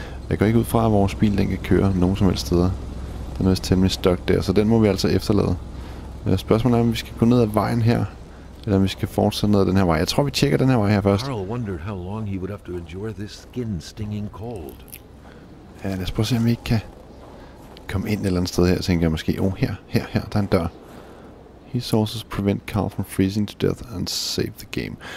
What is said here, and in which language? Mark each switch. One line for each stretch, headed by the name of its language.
Danish: Jeg går ikke ud fra, at vores bil, den kan køre nogen som helst steder. Den er vist temmelig stuck der, så den må vi altså efterlade. Spørgsmålet er, om vi skal gå ned ad vejen her, eller om vi skal fortsætte ned ad den her vej. Jeg tror, vi tjekker den her vej her først.
English: Carl wondered how long he would have to endure this skin-stinging cold.
Danish: Ja, lad os prøve at se, om vi ikke kan komme ind et eller andet sted her, tænker jeg måske. Oh, her, der er en dør.
English: His sources prevent Carl from freezing to death and save the game.